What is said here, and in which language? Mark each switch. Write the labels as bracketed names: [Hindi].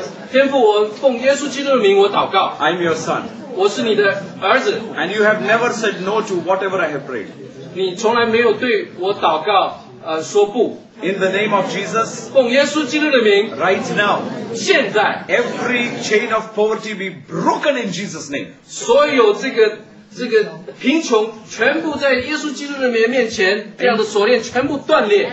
[Chinese] 天父，我奉耶稣基督的名，我祷告。 [English] I'm your son. [Chinese] 我是你的儿子。 [English] And you have never said no to whatever I have prayed. [Chinese] 你从来没有对我祷告说不。 [English] In the name of Jesus. [Chinese] 奉耶稣基督的名。 [English] Right now. [Chinese] 现在。 [English] Every chain of poverty be broken in Jesus' name. [Chinese] 所有这个贫穷全部在耶稣基督的面前，这样的锁链全部断裂。